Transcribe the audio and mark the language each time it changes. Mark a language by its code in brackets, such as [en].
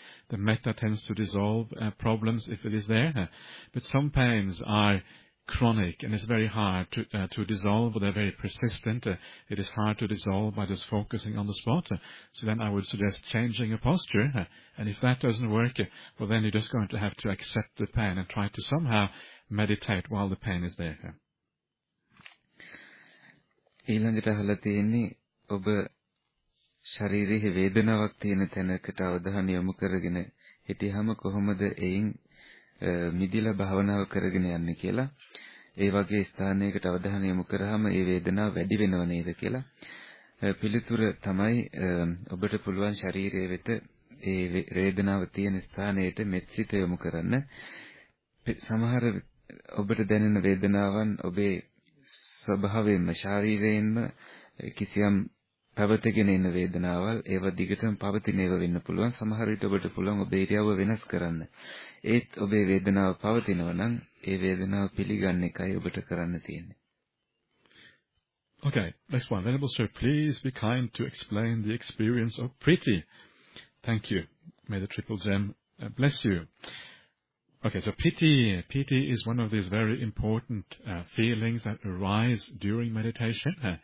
[en] The metta tends to dissolve problems if it is there. But some pains are chronic, and it's very hard to dissolve. They're very persistent. It is hard to dissolve by just focusing on the spot. So then I would suggest changing your posture. And if that doesn't work, well, then you're just going to have to accept the pain and try to somehow meditate while the pain is there. [si] ඊළඟට අහලා තියෙන්නේ ඔබ ශාරීරික වේදනාවක් තියෙන තැනකට අවධානය යොමු කරගෙන හිටියම කොහොමද එයින් මිදිලා භාවනාව කරගෙන යන්නේ කියලා. ඒ වගේ ස්ථානයකට අවධානය යොමු කරාම ඒ වේදනාව වැඩි වෙනව නේද කියලා. පිළිතුර තමයි ඔබට පුළුවන් ශරීරයේ වෙත ඒ වේදනාව තියෙන ස්ථානයට මෙත්සිත යොමු කරන්න. සමහර ඔබට දැනෙන වේදනාවන් ඔබේ ස්වභාවයෙන්ම ශාරීරයෙන්ම කිසියම් පවතිගෙන ඉන්න වේදනාවල් ඒව දිගටම පවතින ඒවා වෙන්න පුළුවන්. සමහර විට ඔබට පුළුවන් ඔබේ ඉරියව්ව වෙනස් කරන්න. ඒත් ඔබේ වේදනාව පවතිනවා නම් ඒ වේදනාව පිළිගන්න එකයි ඔබට කරන්න තියෙන්නේ. [en] Okay, next one. Venerable Sir, please be kind to explain the experience of Priti. Thank you. May the Triple Gem bless you. Okay, so Piti is one of these very important feelings that arise during meditation.